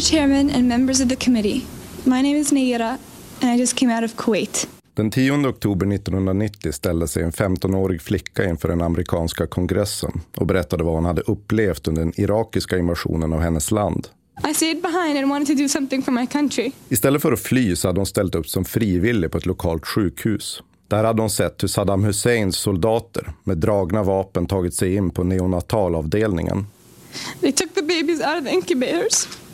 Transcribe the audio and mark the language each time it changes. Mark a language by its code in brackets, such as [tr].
[en] Chairman and members of the committee, my name is Neira and I just came out of Kuwait. [sv] Den 10 oktober 1990 ställde sig en 15-årig flicka inför den amerikanska kongressen och berättade vad hon hade upplevt under den irakiska invasionen av hennes land. [en] I stayed behind and wanted to do something for my country. [sv] Istället för att fly så hade hon ställt upp som frivillig på ett lokalt sjukhus. Där hade hon sett hur Saddam Husseins soldater med dragna vapen tagit sig in på neonatalavdelningen. [en] They took the babies out of the incubators.